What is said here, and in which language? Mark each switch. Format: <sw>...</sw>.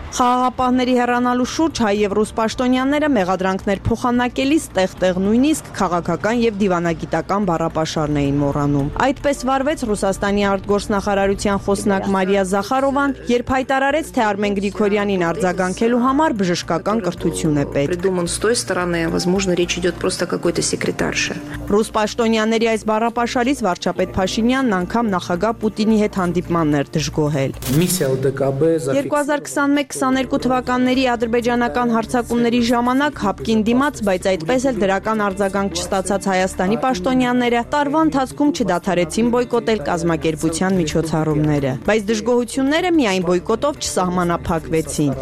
<hy>Խաղաղապահների հեռանալու շուրջ հայ եւ ռուս պաշտոնյաները մեղադրանքներ փոխանակելիս տեղ-տեղ նույնիսկ քաղաքական եւ դիվանագիտական բառապաշարն էին մոռանում։ Այդպես վարվեց Ռուսաստանի արտգործնախարարության խոսնակ Մարիա Զախարովան, երբ հայտարարեց, թե Արմեն Գրիգորյանին արձագանքելու համար բժշկական կրթություն է պետք։</hy> <ru>Придуман с той стороны, возможно, речь идёт просто о какой-то секретарше։</ru> <hy>Ռուս պաշտոնյաների այս բառապաշարից վարչապետ Փաշինյանն անգամ նախագահ Պուտինի հետ հանդիպմաններ դժգոհել։ 2021-22 թվականների ադրբեջանական հարձակումների ժամանակ հապկին դիմաց, բայց այդպես էլ դրական արձագանք չստացած Հայաստանի պաշտոնյաները տարվա ընթացքում չդադարեցին բոյկոտել կազմակերպության միջոցառումները, բայց դժգոհությունները միայն բոյկոտով չսահմանափակվեցին։</hy>